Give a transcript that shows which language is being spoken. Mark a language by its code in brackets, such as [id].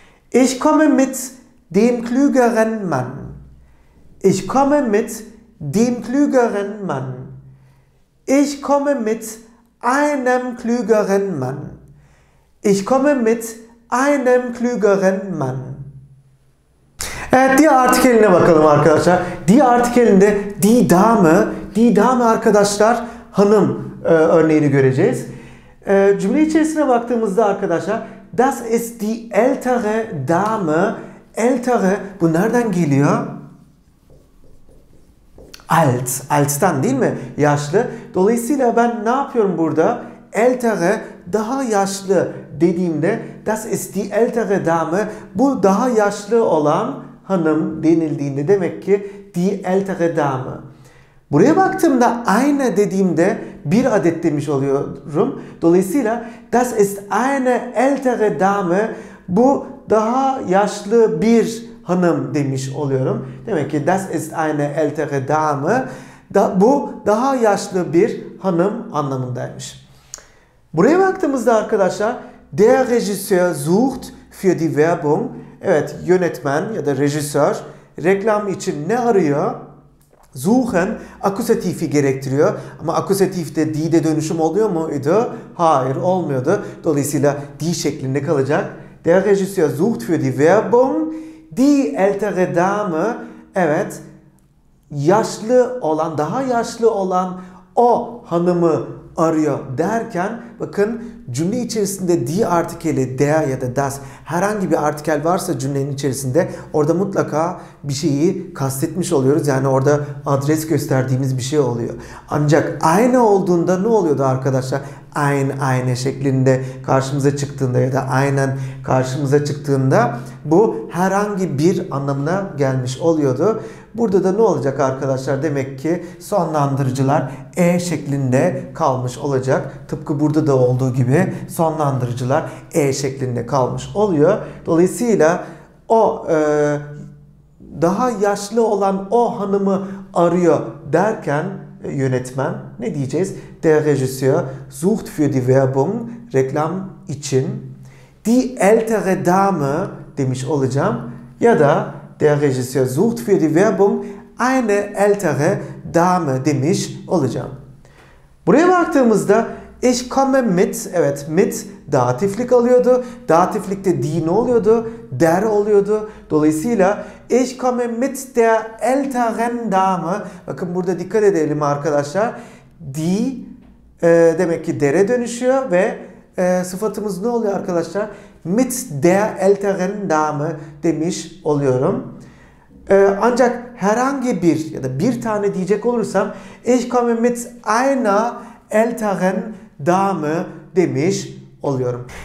[de] Ich komme mit dem klügeren Mann. Ich komme mit dem klügeren Mann. Ich komme mit einem klügeren Mann. Ich komme mit einem klügeren Mann. [tr] Evet, die artikeline bakalım arkadaşlar. Die artikelinde [de] die Dame, die Dame [tr] arkadaşlar hanım örneğini göreceğiz. Cümle içerisine baktığımızda arkadaşlar [de] das ist die ältere Dame. [tr] Ältere bu nereden geliyor? Alt, alt'tan değil mi? Yaşlı. Dolayısıyla ben ne yapıyorum burada? [de] Ältere [tr] daha yaşlı dediğimde [de] das ist die ältere Dame. [tr] Bu daha yaşlı olan hanım denildiğinde demek ki [de] die ältere Dame. [tr] Buraya baktığımda eine dediğimde bir adet demiş oluyorum. [de] Dolayısıyla das ist eine ältere Dame. [tr] Bu daha yaşlı bir hanım demiş oluyorum. [de] Demek ki das ist eine ältere Dame. [tr] Bu daha yaşlı bir hanım anlamındaymış. Buraya baktığımızda arkadaşlar [de] der Regisseur sucht für die Werbung. [tr] Evet, yönetmen ya da rejisör reklam için ne arıyor? Suchen akusatifi gerektiriyor. Ama akusatifte die'de dönüşüm oluyor muydu? Hayır, olmuyordu. Dolayısıyla die şeklinde kalacak. [de] Der Regisseur sucht für die Werbung die ältere Dame. [tr] Evet, yaşlı olan, daha yaşlı olan o hanımı arıyor derken bakın cümle içerisinde die artikeli, der ya da das herhangi bir artikel varsa cümlenin içerisinde orada mutlaka bir şeyi kastetmiş oluyoruz. Yani orada adres gösterdiğimiz bir şey oluyor. Ancak aynı olduğunda ne oluyordu arkadaşlar? Aynı şeklinde karşımıza çıktığında ya da aynen karşımıza çıktığında bu herhangi bir anlamına gelmiş oluyordu. Burada da ne olacak arkadaşlar? Demek ki sonlandırıcılar e şeklinde kalmış olacak. Tıpkı burada da olduğu gibi sonlandırıcılar e şeklinde kalmış oluyor. Dolayısıyla o daha yaşlı olan o hanımı arıyor derken yönetmen ne diyeceğiz? [de] Der Regisseur sucht für die Werbung, [tr] reklam için [de] die ältere Dame [tr] demiş olacağım ya da [de] der Regisseur sucht für die Werbung eine ältere Dame [tr] demiş olacağım. Buraya baktığımızda [de] ich komme mit, [tr] evet mit datiflik alıyordu. Datiflikte die ne oluyordu? Der oluyordu. [de] Dolayısıyla ich komme mit der älteren Dame. [tr] Bakın burada dikkat edelim arkadaşlar. [de] Die [tr] demek ki der'e dönüşüyor ve sıfatımız ne oluyor arkadaşlar? [de] Mit der älteren Dame [tr] demiş oluyorum. Ancak herhangi bir ya da bir tane diyecek olursam [de] ich komme mit einer älteren Dame [tr] demiş oluyorum.